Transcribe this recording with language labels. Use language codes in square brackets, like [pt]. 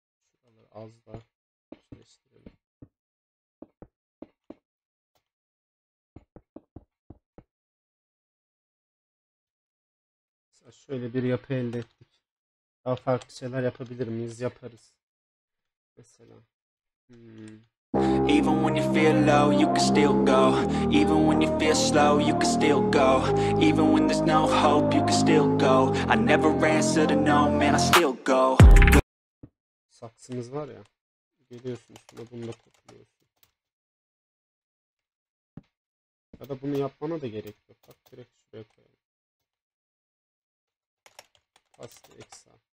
[tr] Şuraları az daha güçleştirelim. Mesela şöyle bir yapı elde ettik. Daha farklı şeyler yapabilir miyiz? Yaparız. Mesela. [en] Even when you feel low, you can still go. Even when you feel slow, you can still go. Even when there's no hope, you can still go. I never answer to no, man, I still go. [tr] Saksımız var ya, geliyorsun üstüne, bunu da kopuyorsun. Ya da bunu yapmana da gerek yok. Bak, direkt şuraya koyalım. Paste eksa.